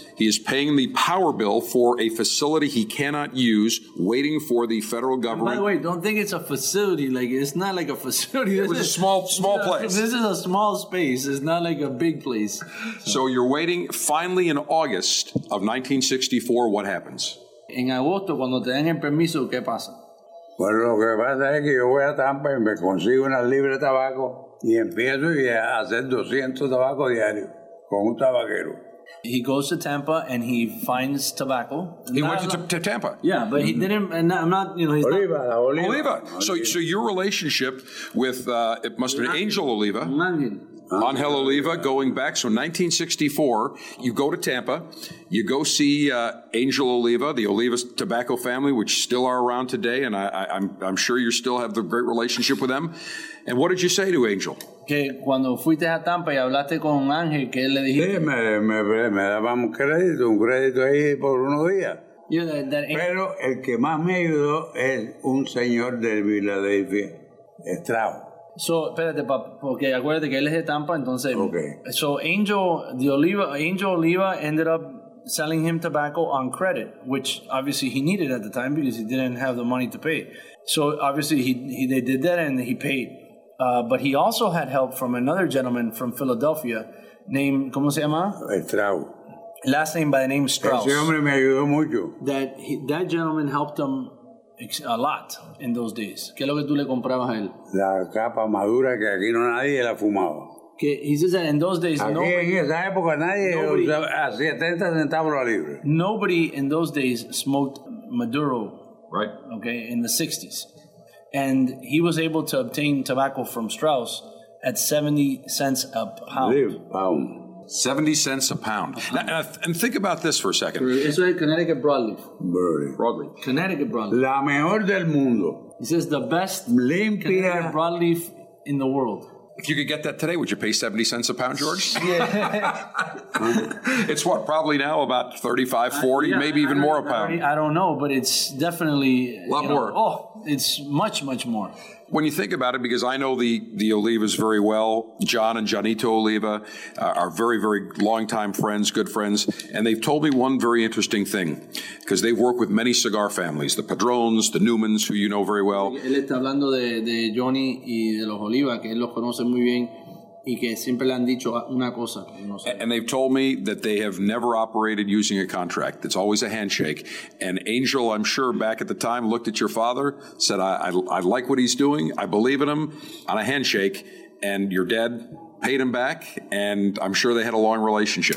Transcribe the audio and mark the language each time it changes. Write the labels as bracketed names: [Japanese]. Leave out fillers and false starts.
[English] He is paying the power bill for a facility he cannot use, waiting for the federal government. And by the way, don't think it's a facility. Like, it's not like a facility. This it was is, a small place. This is a small space. It's not like a big place. So you're waiting. Finally, in August of 1964, what happens? [Spanish] en agosto, cuando te den el permiso, ¿qué pasa? Pues lo que pasa es que yo voy a Tampa y me consigo una libre de tabaco y empiezo a hacer 200 tabacos diarios con un tabaquero. [English] He goes to Tampa and he finds tobacco. He went to Tampa. Yeah, but he didn't. I'm not, you know. Oliva. So your relationship with it must have been Angel Oliva. Angel Oliva, going back. So 1964, you go to Tampa, you go see Angel Oliva, the Oliva tobacco family, which still are around today, and I'm sure you still have the great relationship with them. And what did you say to Angel? [Spanish] Que cuando fuiste a Tampa y hablaste con Ángel, que él le dijiste. Sí, me daba un crédito ahí por unos días. [English] You know, that [Spanish] Pero el que más me ayudó es un señor de Philadelphia, Strauss. So, espérate, papá, porque acuérdate que él es de Tampa, entonces. [English] Okay. So, Angel Oliva ended up selling him tobacco on credit, which obviously he needed at the time because he didn't have the money to pay. So, obviously, they did that and he paid. But he also had help from another gentleman from Philadelphia named, [Spanish] ¿cómo se llama? [English] Strauss. Last name by the name Strauss. [Spanish] Ese hombre me ayudó mucho. [English] That gentleman helped him a lot in those days. [Spanish] ¿Qué es lo que tú le comprabas a él? La capa madura que aquí no nadie la fumaba. [English] Que, he says that in those days, nobody in those days smoked Maduro. Right. Okay, in the 60s. And he was able to obtain tobacco from Strauss at 70 cents a pound. Pound. 70 cents a pound. Now, and think about this for a second. [Spanish] Eso es Connecticut broadleaf. [English] Broadleaf. Connecticut broadleaf. [Spanish] La mejor del mundo. [English] He says the best [Spanish] limpia. [English] Connecticut broadleaf in the world. If you could get that today, would you pay 70 cents a pound, George? Yeah. It's what, probably now about 35, 40, maybe even more a pound. I don't know, but it's definitely a lot more. Oh, it's much, much more. When you think about it, because I know the Olivas very well, John and Johnito Oliva are very, very longtime friends, good friends, and they've told me one very interesting thing, because they've worked with many cigar families, the Padrones, the Newmans, who you know very well. [Spanish] Él está hablando de Johnny y de los Oliva, que él los conoce muy bien, y que siempre le han dicho una cosa. [English] And they've told me that they have never operated using a contract. It's always a handshake. And Angel, I'm sure, back at the time, looked at your father, said, I like what he's doing. I believe in him on a handshake. And your dad paid him back. And I'm sure they had a long relationship.